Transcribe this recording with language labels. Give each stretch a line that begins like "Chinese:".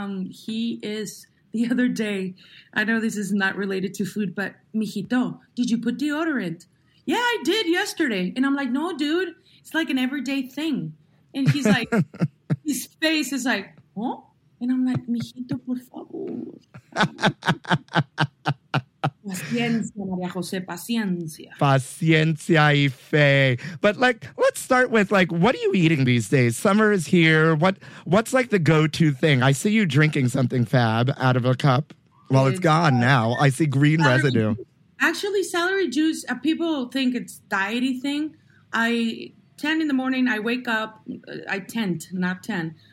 English: He is the other day. I know this is not related to food, but mijito, did you put deodorant? Yeah, I did yesterday. And I'm like, no, dude, it's like an everyday thing. And he's like, his face is like, huh? And I'm like, mijito,
Spanish: por favor. Paciencia, María José, paciencia. Paciencia y fe.
English: But like, let's start with like, what are you eating these days? Summer is here. What's like the go-to thing? I see you drinking something fab out of a cup. Well, it's gone now. I see green residue. Actually, celery juice, people think it's diety thing. I 10 in the morning, I wake up, I tent, not 10.